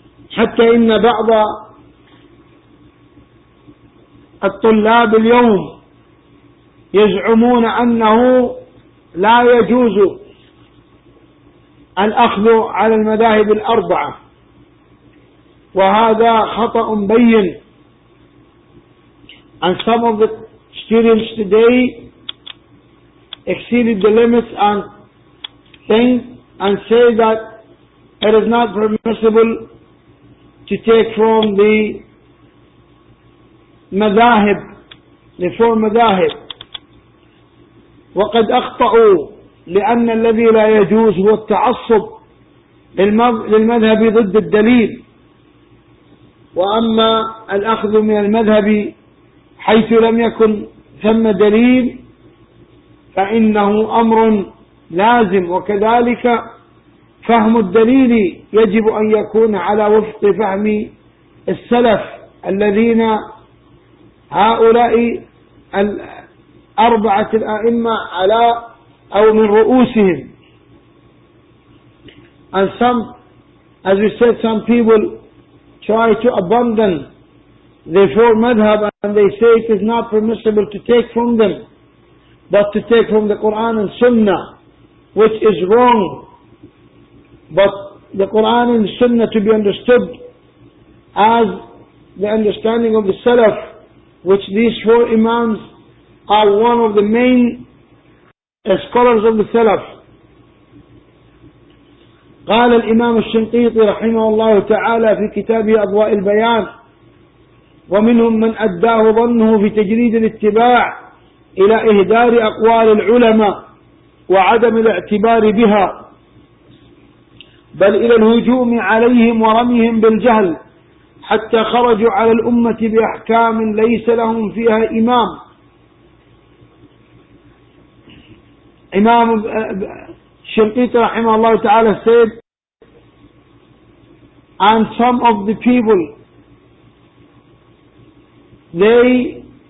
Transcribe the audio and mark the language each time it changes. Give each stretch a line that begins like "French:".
Arabic: حتى إن بعض الطلاب اليوم يزعمون أنه لا يجوز الأخذ على المذاهب الأربعة، وهذا خطأ بين.
English: And some of the students today exceeded the limits and think and say that it is not permissible to take from the مذاهب the four مذاهب.
Arabic: وقد أخطأوا، لأن الذي لا يجوز هو التعصب للمذهب ضد الدليل، وأما الأخذ من المذهب حيث لم يكن ثم دليل فإنه أمر لازم، وكذلك فهم الدليل يجب أن يكون على وفق فهم السلف الذين هؤلاء الأربعة الأئمة على أو من رؤوسهم.
English: And some, as we said, some people try to abandon their four madhab and they say it is not permissible to take from them, but to take from the Quran and Sunnah, which is wrong. But the Quran and Sunnah to be understood as the understanding of the Salaf, which these four Imams are one of the main scholars of the Salaf.
Arabic: قال الإمام الشنقيطي رحمه الله تعالى في كتابه أضواء البيان: ومنهم من أداه ظنه في تجريد الاتباع إلى إهدار أقوال العلماء وعدم الاعتبار بها بل إلى الهجوم عليهم ورميهم بالجهل حتى خرجوا على الأمة بأحكام ليس لهم فيها إمام. إمام الشنقيطي رحمه الله تعالى
English: said: and some of the people, they